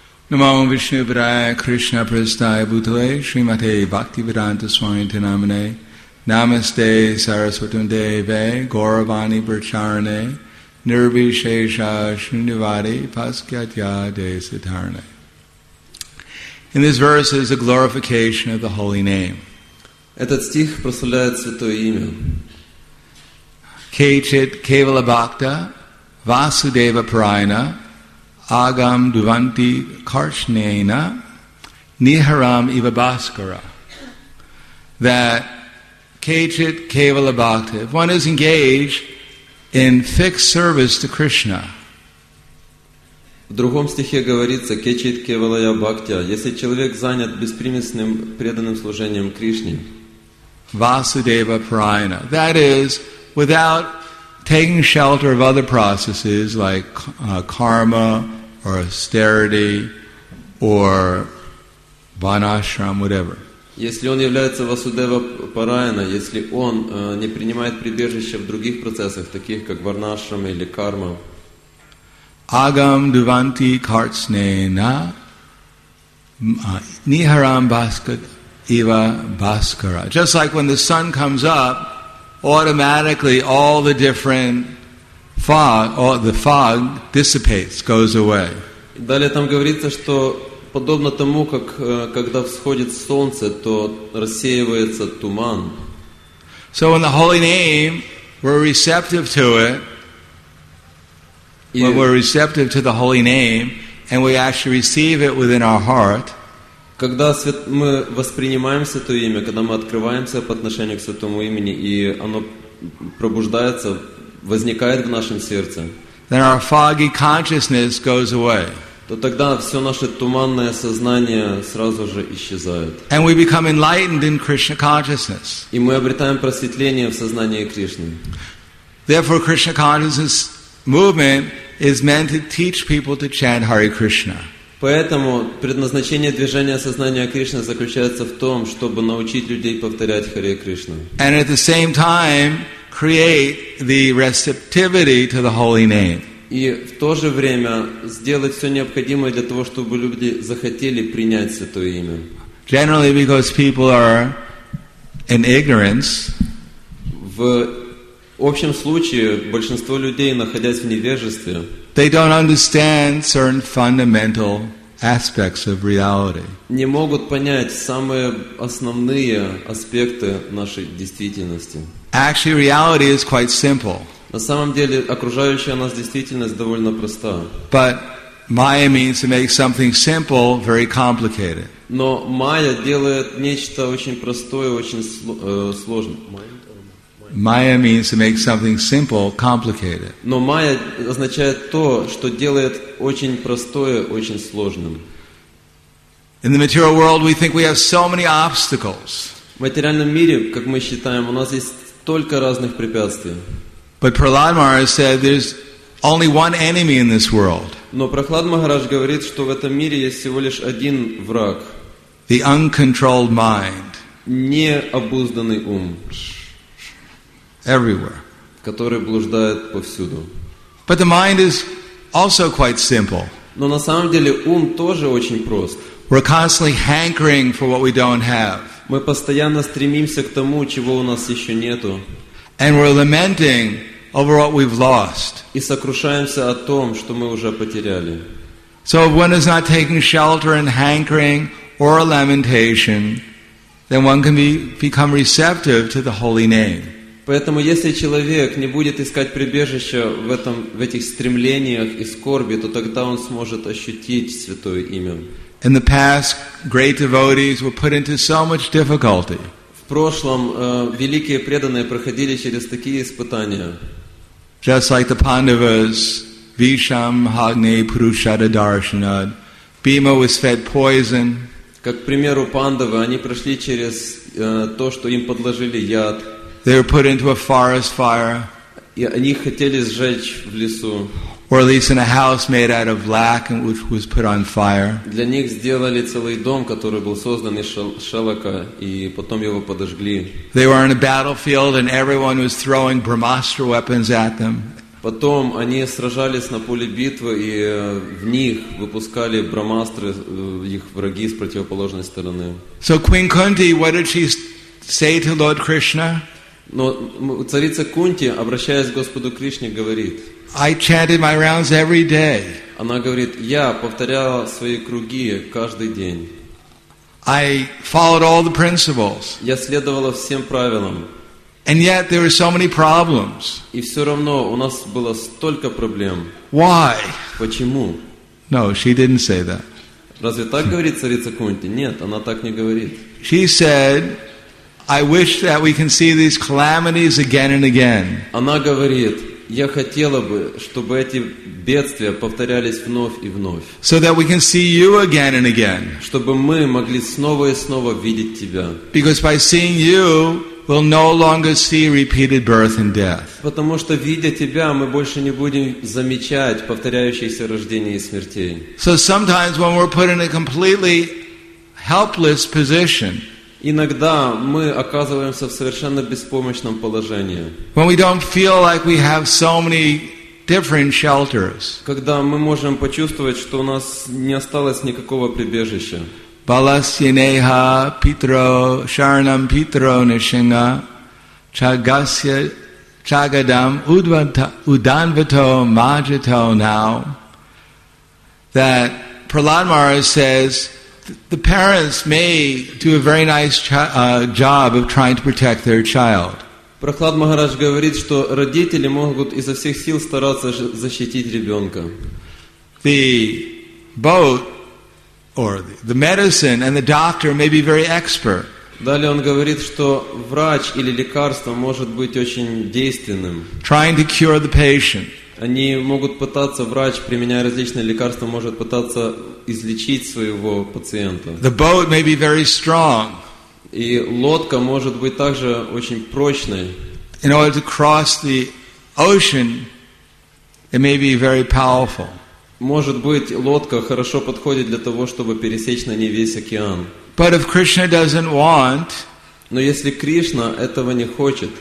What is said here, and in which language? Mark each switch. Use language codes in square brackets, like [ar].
[sa] Намо вишну брая кришна прастая бутале шримате бхакти веданта свамите намане намасте сарасватун деве горавани бхарчаране Nirvishesha Shunivadi Paskyatya De Sitarne. [en] In this verse is a glorification of the holy name. [ru] Этот стих прославляет святое имя. [sa] Kechit Kevala Bhakta Vasudeva Parayana Agam Duvanti Karshnena Niharam Iva Bhaskara. [en] That [sa] Kechit Kevala Bhakta, [en] if one is engaged in fixed service to Krishna. [ru] В другом стихе говорится, [sa] кечит кевалая бхактя, [ru] если человек занят беспримесным преданным служением Кришне. [sa] Vasudeva Parayana. [en] That is, without taking shelter of other processes like karma or austerity or vanashram, whatever. [ru] Если он является [sa] Васудева Парайана, [ru] если он не принимает прибежище в других процессах, таких как Варнашрам или Карма. [sa] Агам Дуванти Картснейна Нихарам Баскат Ива Баскара. [en] Just like when the sun comes up, automatically all the different fog, all the fog dissipates, goes away. [ru] Далее там говорится, что подобно тому, как когда всходит солнце, то рассеивается туман. [en] So in the holy name, we're receptive to it. When we're receptive to the holy name, and we actually receive it within our heart. [ru] Когда мы воспринимаем святое имя, когда мы открываемся по отношению к святому имени, и оно пробуждается, возникает в нашем сердце. [en] Then our foggy consciousness goes away. [ru] То тогда все наше туманное сознание сразу же исчезает. [en] And we become enlightened in Krishna consciousness. [ru] И мы обретаем просветление в сознании Кришны. [en] Therefore, Krishna consciousness movement is meant to teach people to chant Hare Krishna. [ru] Поэтому предназначение движения сознания Кришны заключается в том, чтобы научить людей повторять Харе Кришну. [en] And at the same time, create the receptivity to the holy name. [ru] И в то же время сделать все необходимое для того, чтобы люди захотели принять Святое Имя. [en] Generally, because people are in ignorance. [ru] В общем случае, большинство людей, находясь в невежестве, [en] they don't understand certain fundamental aspects of reality. [ru] Не могут понять самые основные аспекты нашей действительности. [en] Actually, reality is quite simple. [ru] На самом деле, окружающая нас действительность довольно проста. [en] But Maya means to make something simple very complicated. [ru] Но Майя делает нечто очень простое, очень сложное. [en] Maya means to make something simple complicated. [ru] Но Майя означает то, что делает очень простое очень сложным. [en] In the material world, we think we have so many obstacles. [ru] В материальном мире, как мы считаем, у нас есть столько разных препятствий. [en] But Prahlad Maharaj said there's only one enemy in this world. [ru] Но Прохлад Махарадж говорит, что в этом мире есть всего лишь один враг. [en] The uncontrolled mind. [ru] Необузданный ум. [en] Everywhere. [ru] Который блуждает повсюду. [en] But the mind is also quite simple. [ru] Но на самом деле ум тоже очень прост. [en] We're constantly hankering for what we don't have. [ru] Мы постоянно стремимся к тому, чего у нас еще нету. [en] And we're lamenting over what we've lost. [ru] И сокрушаемся о том, что мы уже потеряли. [en] So if one is not taking shelter in hankering or lamentation, then one can become receptive to the holy name. [ru] Поэтому если человек не будет искать прибежища в этих стремлениях и скорби, то тогда он сможет ощутить Святое Имя. [en] In the past, great devotees were put into so much difficulty. [ru] В прошлом великие преданные проходили через такие испытания. [en] Just like the Pandavas, Visham, Hagne, Purushada, Darshanad, Bhima was fed poison. [ru] Как к примеру Пандавы, они прошли через то, что им подложили яд. [en] They were put into a forest fire. [ru] И они хотели сжечь в лесу. [en] Or at least in a house made out of lac and which was put on fire. [ru] Для них сделали целый дом, который был создан из шелака, и потом его подожгли. [en] They were in a battlefield and everyone was throwing Brahmastra weapons at them. [ru] Потом они сражались на поле битвы, и в них выпускали Брахмастры их враги с противоположной стороны. [en] So Queen Kunti, what did she say to Lord Krishna? [ru] Но царица Кунти, обращаясь к Господу Кришне, говорит: [en] I chanted my rounds every day. [ru] Она говорит: я повторяла свои круги каждый день. [en] I followed all the principles. [ru] Я следовала всем правилам. [en] And yet there were so many problems. [ru] И все равно у нас было столько проблем. [en] Why? [ru] Почему? [en] No, she didn't say that. [ru] Разве так говорит царица Кунти? Нет, она так не говорит. [en] She said, I wish that we can see these calamities again and again. [ru] Она говорит: я хотела бы, чтобы эти бедствия повторялись вновь и вновь. [en] So that we can see you again and again. [ru] Чтобы мы могли снова и снова видеть тебя. [en] Because by seeing you, we'll no longer see repeated birth and death. [ru] Потому что видя тебя, мы больше не будем замечать повторяющиеся рождения и смерти. [en] So sometimes when we're put in a completely helpless position. [ru] Иногда мы оказываемся в совершенно беспомощном положении. [en] When we don't feel like we have so many different shelters. [ru] Когда мы можем почувствовать, что у нас не осталось никакого прибежища. [sa] Баласьянеха Питро Шарнам Питро Нишинга Чагасья Чагадам Уданвато Маджито Нау. [en] That Prahlad Maharaj says, the parents may do a very nice job of trying to protect their child. [ru] Прохлад Махарадж говорит, что родители могут изо всех сил стараться защитить ребенка. [en] The boat or the medicine and the doctor may be very expert. [ru] Далее он говорит, что врач или лекарство может быть очень действенным. [en] Trying to cure the patient. [ru] Они могут пытаться, врач, применяя различные лекарства, может пытаться излечить своего пациента. [en] The boat may be very strong. [ru] И лодка может быть также очень прочной. [en] In order to cross the ocean, It may be very powerful. [ru] Может быть, лодка хорошо подходит для того, чтобы пересечь на ней весь океан. [en] But if Krishna doesn't want, [ru] но если Кришна этого не хочет,